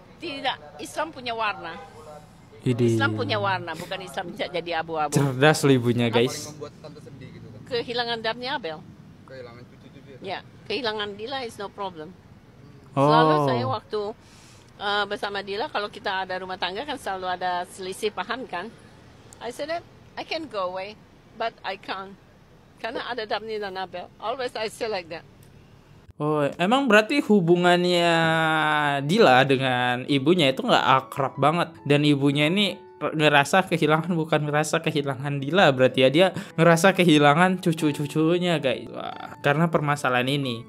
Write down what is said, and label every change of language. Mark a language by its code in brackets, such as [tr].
[id] Tidak, Islam punya warna. Islam punya warna, bukan Islam bisa jadi abu-abu. Cerdas lo ibunya guys. Kehilangan Daphne Abel. Kehilangan cucu-cucu. Ya, kehilangan Dila [en] is no problem. [id] Oh. Selalu saya waktu bersama Dila, kalau kita ada rumah tangga kan selalu ada selisih paham kan. [en] I said that I can go away, but I can't. [id] Karena ada Daphne dan Abel. [en] Always I say like that. [id] Oh, emang berarti hubungannya Dila dengan ibunya itu gak akrab banget. Dan ibunya ini ngerasa kehilangan, bukan ngerasa kehilangan Dila. Berarti ya dia ngerasa kehilangan cucu-cucunya guys. Wah, karena permasalahan ini.